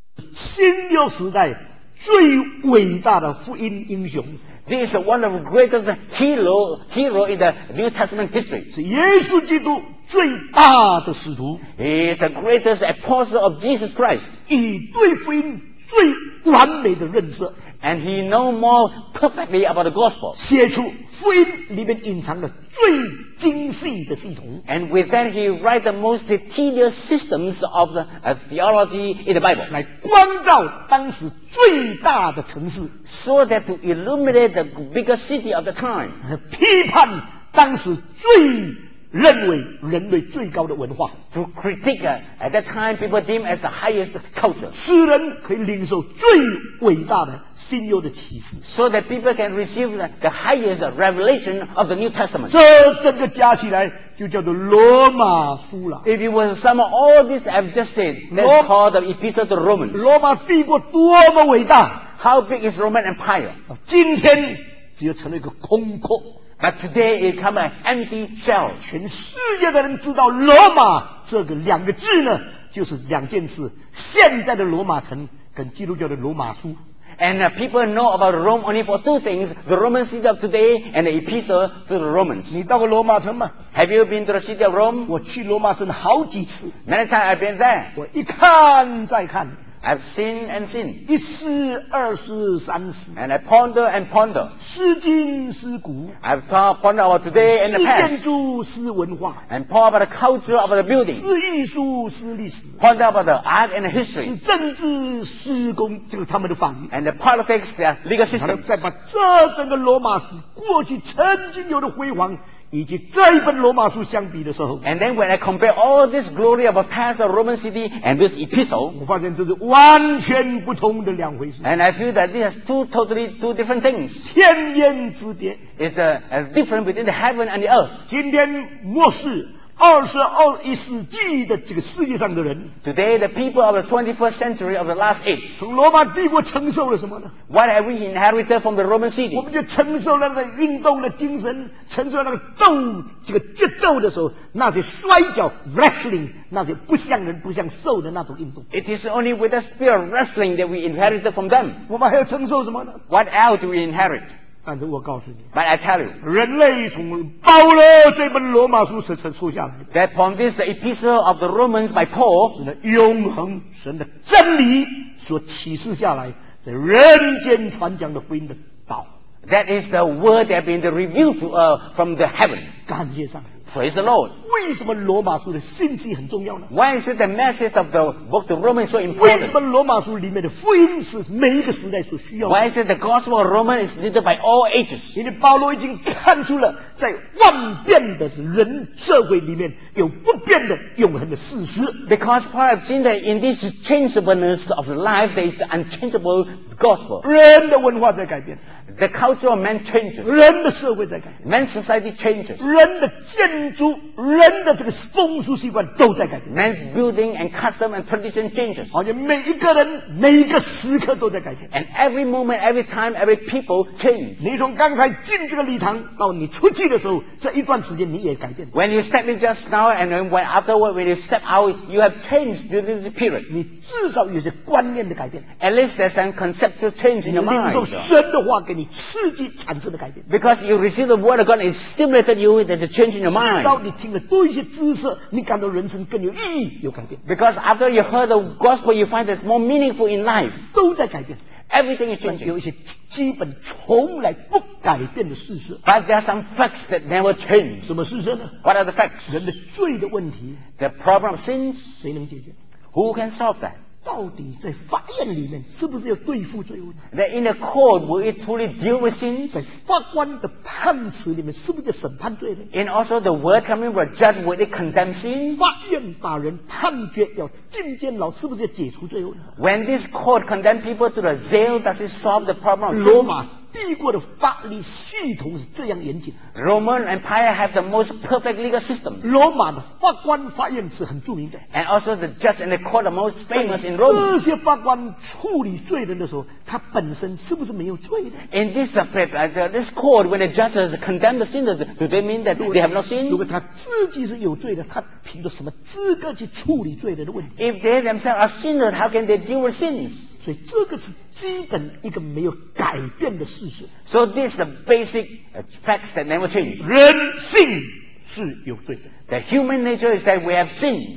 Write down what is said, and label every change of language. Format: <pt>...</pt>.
<zh>新六时代最伟大的福音英雄。</zh> <en>This is one of the greatest hero in the New Testament history.</en> <zh>是耶稣基督最大的使徒。</zh> <en>He is the greatest apostle of Jesus Christ.</en> <zh>以对福音最完美的认识。</zh> <en>And he know more perfectly about the gospel.</en> <zh>写出福音里面隐藏的最精细的系统。</zh> <en>And with that, he write the most detailed systems of the theology in the Bible.</en> <zh>来光照当时最大的城市。</zh> <en>So that to illuminate the biggest city of the time.</en> <zh>批判当时最认为人类最高的文化。</zh> <en>To critique, at that time people deem as the highest culture.</en> <zh>使人可以领受最伟大的新约的启示。</zh> <en>So that people can receive the highest revelation of the New Testament.</en> <zh>这整个加起来就叫做罗马书了。</zh> <en>If you were to sum all this I've just said, that's called the Epistle to Romans.</en> <zh>罗马帝国多么伟大。</zh> <en>How big is Roman Empire?</en> <zh>今天只有成了一个空壳。</zh> <en>But today it comes an empty shell.</en> <zh>全世界的人知道罗马这个两个字呢，就是两件事：现在的罗马城跟基督教的罗马书。</zh> <en>And people know about Rome only for two things: the Roman city of today and the epistle to the Romans.</en> <zh>你到过罗马城吗</zh> <en>？Have you been to the city of Rome?</en> <zh>我去罗马城好几次。</zh> <en>Many times I've been there.</en> <zh>我一看再看。</zh> <en>I've seen and seen.</en> <zh>一思二思三思。</zh> <en>And I ponder and ponder.</en> <zh>思今思古。</zh> <en>I've pondered about today and the past.</en> <zh>思建筑思文化。</zh> <en>And ponder about the culture of the building.</en> <zh>思艺术思历史。</zh> <en>Ponder about the art and the history.</en> <zh>思政治思公就是他们的反应。</zh> <en>And the politics, the legal system.</en> <zh>再把这整个罗马史过去曾经有的辉煌以及这一本罗马书相比的时候</zh> <en>and then when I compare all this glory of a past Roman city and this epistle</en> <zh>我发现这是完全不同的两回事</zh> <en>and I feel that this is two totally two different things</en> <zh>天渊之别</zh> <en>it's a difference between the heaven and the earth</en> <zh>今天末世二十二一世纪的这个世界上的人</zh> <en>today the people of the 21st century of the last age</en> <zh>从罗马帝国承受了什么呢</zh> <en>what have we inherited from the Roman city</en> <zh>我们就承受了那个运动的精神承受了那个斗这个决斗的时候那些摔跤 wrestling 那些不像人不像兽的那种运动</zh> <en>it is only with the spirit of wrestling that we inherited from them</en> <zh>我们还要承受什么呢</zh> <en>what else do we inherit</en> <zh>但是我告诉你</zh> <en>But I tell you</en> <zh>人类从保罗这本罗马书所出现的</zh> <en>That from this epistle of the Romans by Paul</en> <zh>是永恒神的真理所启示下来在人间传讲的福音的道</zh> <en>That is the word that has been revealed to us from the heaven</en> <zh>感谢上帝</zh> <en>Praise the Lord</en> <zh>为什么罗马书的信息很重要呢</zh> <en>Why is it the message of the book of Romans so important</en> <zh>为什么罗马书里面的福音是每一个时代所需要的</zh> <en>Why is it the gospel of Romans is needed by all ages</en> <zh>因为保罗已经看出了在万变的人社会里面有不变的永恒的事实</zh> <en>Because Paul has seen that in this changeableness of life there is the unchangeable gospel</en> <zh>人的文化在改变</zh> <en>The culture of man changes</en> <zh>人的社会在改变</zh> <en>Man's society changes</en> <zh>人的建筑人的这个风俗习惯都在改变</zh> <en>Man's building and custom and tradition changes</en> <zh>好像每一个人每一个时刻都在改变</zh> <en>And every moment, every time, every people change</en> <zh>你从刚才进这个礼堂到你出去的时候这一段时间你也改变</zh> <en>When you step in just now and when afterward when you step out you have changed during this period</en> <zh>你至少有些观念的改变</zh> <en>At least there's some conceptual change in your mind</en> <zh>你领受神的话给你刺激产生的改变</zh> <en>Because you receive the word of God it stimulated you there's a change in your mind</en> <zh>至少你听了多一些知识你感到人生更有意义有改变</zh> <en>Because after you heard the gospel you find that it's more meaningful in life</en> <zh>都在改变</zh> <en>Everything is changing</en> <zh>有一些基本从来不改变的事实</zh> <en>But there are some facts that never change</en> <zh>什么事实呢</zh> <en>What are the facts</en> <zh>人的罪的问题</zh> <en>The problem of sins</en> <zh>谁能解决</zh> <en>Who can solve that</en> <zh>到底在法院里面是不是要对付罪恶</zh> <en>That in the court will it truly deal with sins</en> <zh>在法官的判词里面是不是要审判罪呢</zh> <en>And also the word coming will judge will it condemn sins</en> <zh>法院把人判决要进监牢是不是要解除罪恶呢</zh> <en>When this court condemn people to the jail does it solve the problem of sins</en> <zh>罗马帝国的法律系统是这样严谨</zh> <en>Roman Empire have the most perfect legal system</en> <zh>罗马的法官法院是很著名的</zh> <en>and also the judge and the court are most famous in Rome</en> <zh>这些法官处理罪人的时候他本身是不是没有罪的</zh> <en>in this court when the judges condemn the sinners do they mean that they have no sin</en> <zh>如果他自己是有罪的他凭着什么资格去处理罪人的问题</zh> <en>if they themselves are sinners how can they deal with sins</en> <zh>所以这个是基本一个没有改变的事实。</zh> <en>So this is the basic facts that never change.</en> <zh>人性是有罪的。</zh> <en>The human nature is that we have sin.</en>